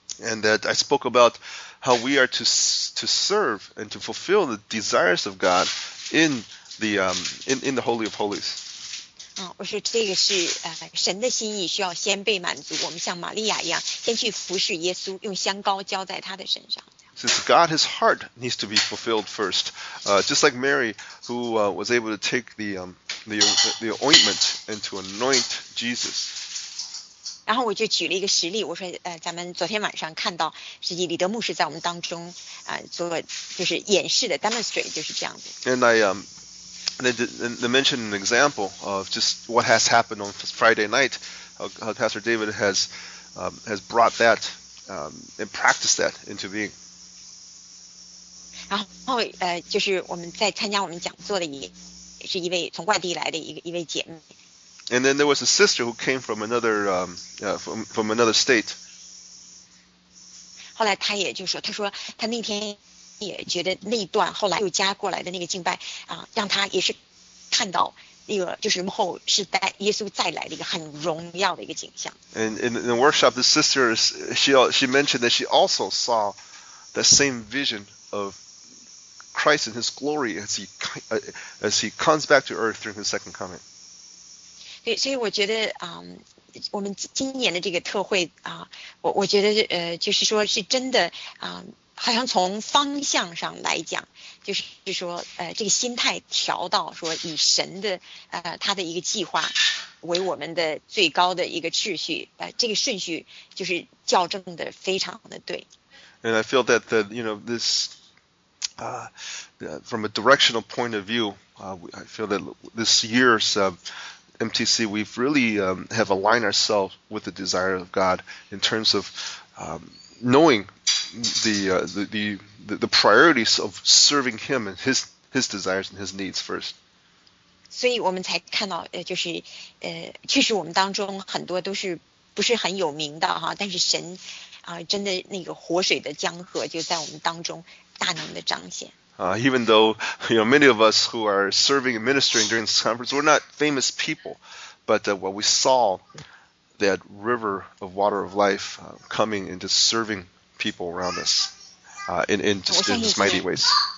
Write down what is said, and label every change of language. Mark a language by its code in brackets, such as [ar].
[en] And that I spoke about how we are to serve and to fulfill the desires of God in the Holy of Holies. [zh] 啊，我说这个是神的心意，需要先被满足。我们像玛利亚一样，先去服侍耶稣，用香膏浇在他的身上。 [en] Since God, His heart needs to be fulfilled first, just like Mary, who was able to take the ointment and to anoint Jesus. [zh] 然后我就举了一个实例，我说咱们昨天晚上看到，实际李德牧师在我们当中做就是演示的 demonstrate 就是这样子。 [en] And I mentioned an example of just what has happened on Friday night, how Pastor David has brought that and practiced that into being. [zh] 然后就是我们在参加我们讲座的也是一位从外地来的一位姐妹。 [en] And then there was a sister who came from another state. [zh] 后来她也就说，她说她那天也觉得那一段后来又加过来的那个敬拜啊，让她也是看到那个就是幕后是带耶稣再来的一个很荣耀的一个景象。 [en] And in the workshop, the sister she mentioned that she also saw the same vision of. Christ in His glory as He comes back to earth during His second coming. [zh] 对，所以我觉得我们今年的这个特会我觉得就是说是真的好像从方向上来讲，就是说这个心态调到说以神的他的一个计划为我们的最高的一个秩序这个顺序就是校正的非常的对。 [en] And I feel that this. From a directional point of view, I feel that this year's MTC, we've really have aligned ourselves with the desire of God in terms of knowing the priorities of serving Him and His desires and His needs first. [zh] 所以我们才看到，就是确实我们当中很多都是不是很有名的哈，但是神真的那个活水的江河就在我们当中。 [en] Even though many of us who are serving and ministering during this conference, we're not famous people, but what we saw that river of water of life coming and just serving people around us in just mighty ways.